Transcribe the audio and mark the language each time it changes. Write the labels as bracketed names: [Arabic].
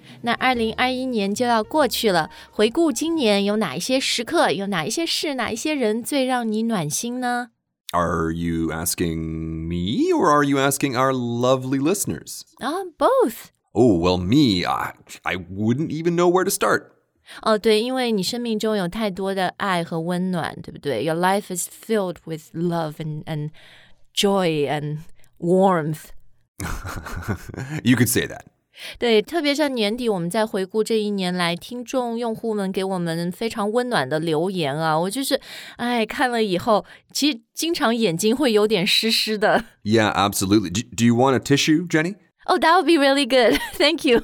[Chinese] 那2021年就要过去了，回顾今年有哪一些时刻，有哪一些事，哪一些人最让你暖心呢？ [English] Are you asking me or are you asking our lovely listeners? Both. Oh, well, me, I wouldn't even know where to start. [Chinese] 哦，对，因为你生命中有太多的爱和温暖，对不对？ [English] Your life is filled with love and joy and warmth. You could say that. [Chinese] 对，特别像年底我们在回顾这一年来听众用户们给我们非常温暖的留言啊，我就是哎看了以后其实经常眼睛会有点湿湿的。 [English] Yeah, absolutely. Do you want a tissue, Jenny? Oh, that would be really good. Thank you.